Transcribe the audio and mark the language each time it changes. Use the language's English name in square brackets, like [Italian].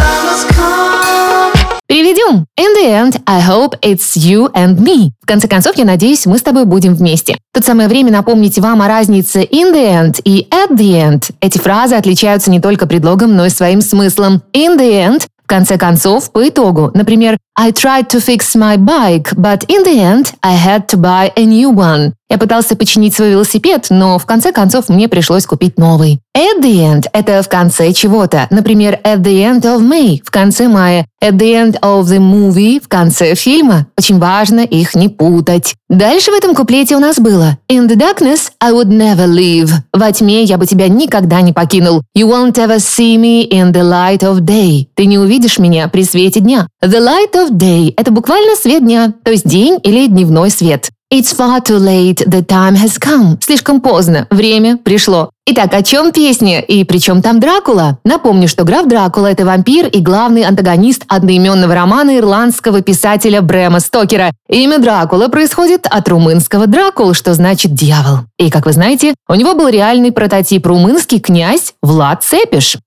[English] In the end, I hope it's you and me. [Russian] В конце концов, я надеюсь, мы с тобой будем вместе. Тут самое время напомнить вам о разнице in the end и at the end. Эти фразы отличаются не только предлогом, но и своим смыслом. In the end – в конце концов, по итогу. Например, [English] I tried to fix my bike, but in the end I had to buy a new one. [Russian] Я пытался починить свой велосипед, но в конце концов мне пришлось купить новый. At the end – это в конце чего-то. Например, [English] at the end of May – [Russian] в конце мая. [English] At the end of the movie – [Russian] в конце фильма. Очень важно их не путать. Дальше в этом куплете у нас было. [English] In the darkness I would never leave. [Russian] Во тьме я бы тебя никогда не покинул. [English] You won't ever see me in the light of day. [Russian] Ты не увидишь меня при свете дня. The light of day – это буквально свет дня, то есть день или дневной свет. [English] It's far too late, the time has come. [Russian] Слишком поздно, время пришло. Итак, о чем песня и при чем там Дракула? Напомню, что граф Дракула – это вампир и главный антагонист одноименного романа ирландского писателя Брэма Стокера. Имя Дракула происходит от румынского «Дракул», что значит «дьявол». И, как вы знаете, у него был реальный прототип румынский князь Влад Цепиш.